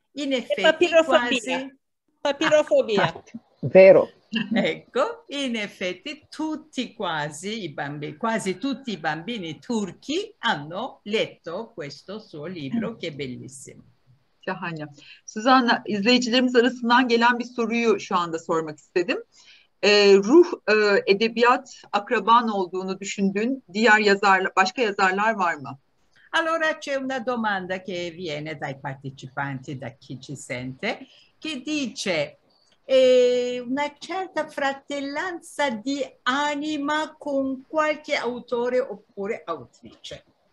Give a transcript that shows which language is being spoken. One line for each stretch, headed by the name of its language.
Italian: In effetti papirofobia. Vero. Ecco, in effetti quasi tutti i bambini turchi hanno letto questo suo libro che è bellissimo.
Turkish: Şahane. Suzan'la izleyicilerimiz arasından gelen bir soruyu şu anda sormak istedim. Ruh edebiyat akraban olduğunu düşündüğün diğer yazarlar, başka yazarlar var mı?
Italian: Allora c'è una domanda che viene dai partecipanti, da chi ci sente, che dice una certa fratellanza di anima con qualche autore oppure autrice.